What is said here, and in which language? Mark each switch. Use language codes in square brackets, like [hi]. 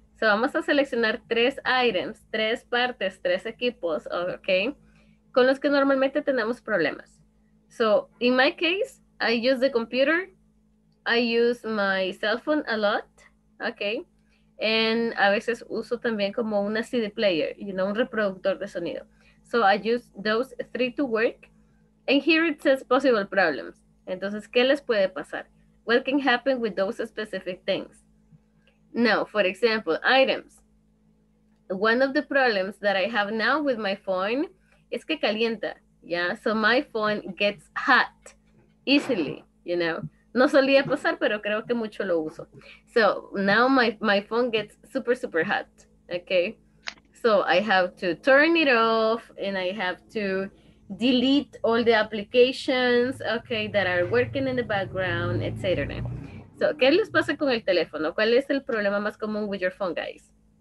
[es] So vamos a seleccionar tres items, tres partes, tres equipos, okay, con los que normalmente tenemos problemas. [en] So in my case, I use the computer. I use my cell phone a lot, okay? [es] And a veces uso también como una CD player, you know, un reproductor de sonido. [en] So I use those three to work. And here it says possible problems. [es] Entonces, ¿qué les puede pasar? [en] What can happen with those specific things? Now, for example, items. One of the problems that I have now with my phone is [es] que calienta, [en] yeah? So my phone gets hot easily, you know? [es] No solía pasar, pero creo que mucho lo uso. [en] So now my phone gets super, super hot, okay? So I have to turn it off and I have to delete all the applications, okay, that are working in the background, etc. [es] So, ¿qué les pasa con el teléfono? ¿Cuál es el problema más común [en] with your phone, guys?